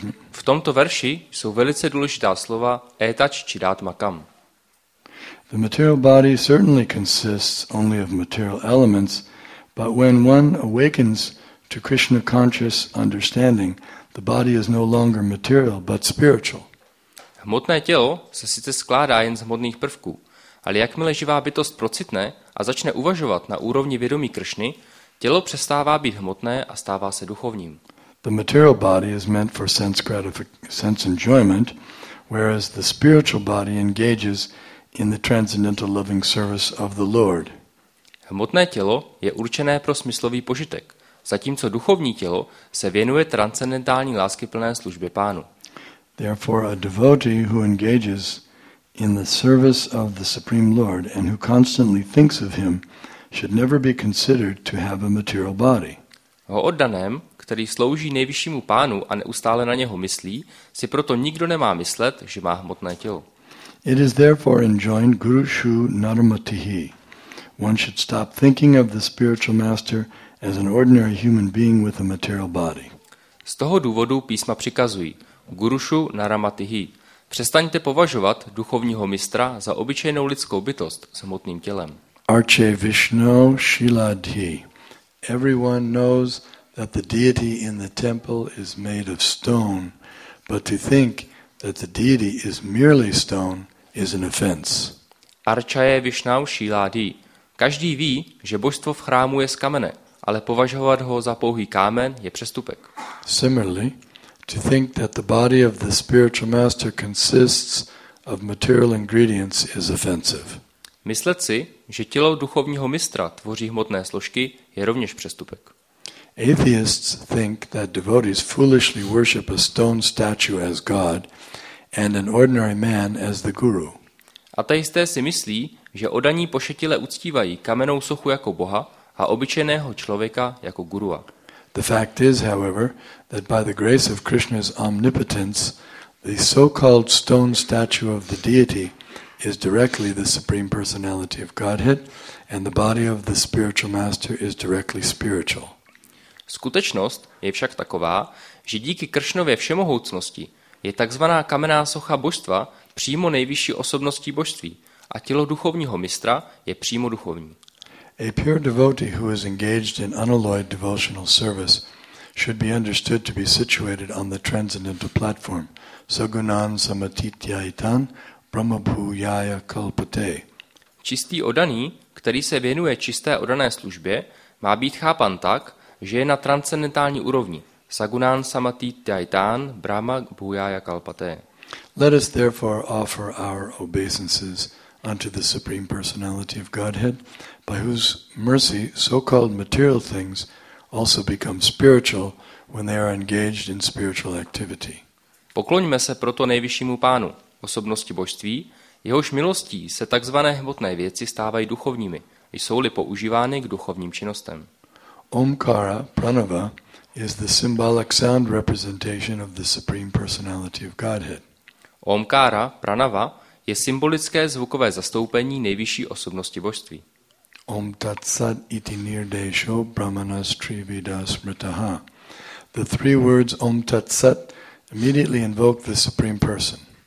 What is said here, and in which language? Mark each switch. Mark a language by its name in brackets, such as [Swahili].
[Czech] V tomto verši jsou velice důležitá slova etach chit atmakam. [English] The material body certainly consists only of material elements, but when one awakens to Krishna conscious understanding, the body is no longer material but spiritual. [Czech] Hmotné tělo se sice skládá jen z hmotných prvků, ale jakmile živá bytost procitne a začne uvažovat na úrovni vědomí Kršny, tělo přestává být hmotné a stává se duchovním. [English] The material body is meant for sense enjoyment, whereas the spiritual body engages in the transcendental loving service of the Lord. [Czech] Hmotné tělo je určené pro smyslový požitek, zatímco duchovní tělo se věnuje transcendentální láskyplné službě Pánu. [English] Therefore a devotee who engages in the service of the Supreme Lord and who constantly thinks of him should never be considered to have a material body. [Czech] O oddaném, který slouží nejvyššímu Pánu a neustále na něho myslí, si proto nikdo nemá myslet, že má hmotné tělo. [English] It is therefore enjoined [Sanskrit] guru shu narmatihi. [English] One should stop thinking of the spiritual master as an ordinary human being with a material body. [Czech] Z toho důvodu písma přikazují [Sanskrit] guru shu narmatihi. [Czech] Přestaňte považovat duchovního mistra za obyčejnou lidskou bytost s hmotným tělem. [Sanskrit] Arche Vishnu Shiladhi. [English] Everyone knows that the deity in the temple is made of stone, but to think that the deity is merely stone is an offense. [Sanskrit] Archaye Vishnu Shiladhi. [Czech] Každý ví, že božstvo v chrámu je z kamene, ale považovat ho za pouhý kámen je přestupek. [English] Similarly, to think that the body of the spiritual master consists of material ingredients is offensive. [Czech] Myslet si, že tělo duchovního mistra tvoří hmotné složky, je rovněž přestupek. [English] Atheists think that devotees foolishly worship a stone statue as God and an ordinary man as the guru. [Czech] Ateisté si myslí, že oddaní pošetile uctívají kamennou sochu jako boha a obyčejného člověka jako gurua. [English] The fact is, however, that by the grace of Krishna's omnipotence, the so-called stone statue of the deity is directly the Supreme Personality of Godhead, and the body of the spiritual master is directly spiritual. [Czech] Skutečnost je však taková, že díky Kršnově všemohoucnosti je takzvaná kamenná socha božstva přímo nejvyšší osobností božství a tělo duchovního mistra je přímo duchovní. [English] A pure devotee who is engaged in unalloyed devotional service should be understood to be situated on the transcendental platform. [Sanskrit] Sagunan samatityaitan brahmabhuyaya kalpate. [Czech] Čistý oddaný, který se věnuje čisté oddané službě, má být chápan tak, že je na transcendentální úrovni. [Sanskrit] Sagunan samatityaitan brahmabhuyaya kalpate. [English] Let us therefore offer our obeisances unto the Supreme Personality of Godhead, by whose mercy so-called material things also become spiritual when they are engaged in spiritual activity. [Czech] Pokloňme se proto nejvyššímu Pánu, osobnosti božství, jehož milostí se takzvané hmotné věci stávají duchovními, jsou-li používány k duchovním činnostem. [English] Omkara pranava is the symbolic sound representation of the Supreme Personality of Godhead. [Czech] Omkara pranava je symbolické zvukové zastoupení nejvyšší osobnosti božství. [Sanskrit] Om tat sat iti nirdesho brahmanas trivida smritaha. [English] The three words om tat sat immediately invoke the Supreme Person.